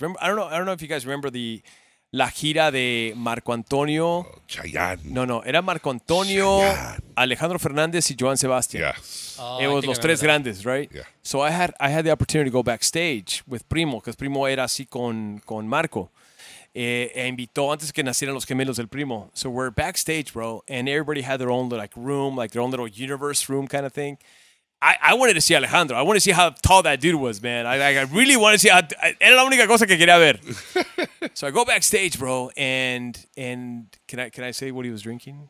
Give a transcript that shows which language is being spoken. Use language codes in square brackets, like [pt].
[en] Remember, I don't know if you guys remember the... [es] La gira de Marco Antonio. Chayanne. No, era Marco Antonio, Chayanne. Alejandro Fernández y Joan Sebastián. [en] Yes. Oh, it was [es] los tres grandes, [en] right? Yeah. So I had the opportunity to go backstage with Primo, because Primo [es] era así con Marco. E invitó antes que nacieran los gemelos del Primo. [en] So we're backstage, bro, and everybody had their own like room, like their own little universe room kind of thing. I wanted to see Alejandro. I wanted to see how tall that dude was, man. I really wanted to see how... [es] Era la única cosa que quería ver. [en] So I go backstage, bro, and can I say what he was drinking?